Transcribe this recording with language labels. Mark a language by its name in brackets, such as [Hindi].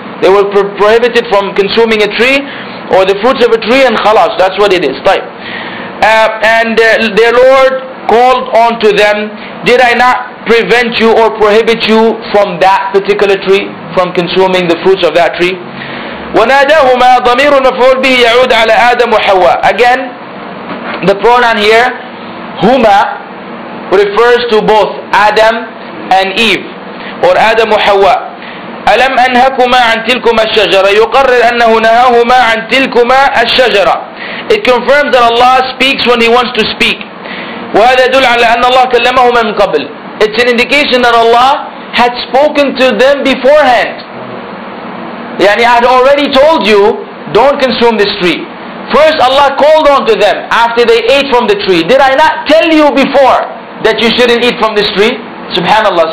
[English] They were prohibited from consuming a tree or the fruits of a tree, and khalas, that's what it is. Right. Their Lord called on to them, did I not prevent you or prohibit you from that particular tree, from consuming the fruits of that tree? [Arabic] وناداهما ضمير مفعول به يعود على آدم وحواء. [English] Again, the pronoun here, هما, refers to both Adam and Eve, or Adam وحواء. [Arabic] ألم أنهكما عن تلكما الشجرة, يقرر أنه نهاهما عن تلكما الشجرة. [English] It confirms that Allah speaks when He wants to speak. [Arabic] وهذا يدل على أن الله كلمهما من قبل. [English] It's an indication that Allah had spoken to them beforehand. يعني I had already told you don't consume this tree. First Allah called on to them after they ate from the tree. Did I not tell you before that you shouldn't eat from this tree? Subhanallah.